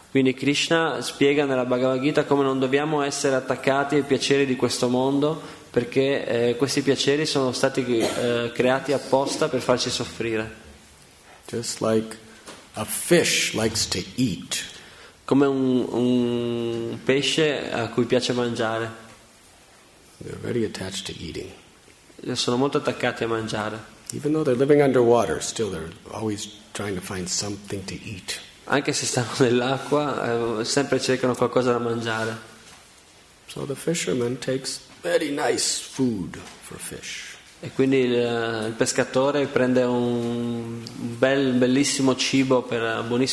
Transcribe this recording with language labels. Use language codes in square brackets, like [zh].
[it] Quindi Krishna spiega nella Bhagavad Gita come non dobbiamo essere attaccati ai piaceri di questo mondo, perché questi piaceri sono stati creati apposta per farci soffrire. [en] Just like a fish likes to eat. [it] Come un pesce a cui piace mangiare. [en] They're very attached to eating. [it] Sono molto attaccati a mangiare. [en] Even though they're living underwater, still they're always trying to find something to eat. [it] Anche se stanno nell'acqua, sempre cercano qualcosa da mangiare. [en] So the fisherman takes very nice food for fish. [it] E quindi il pescatore prende un buonissimo cibo per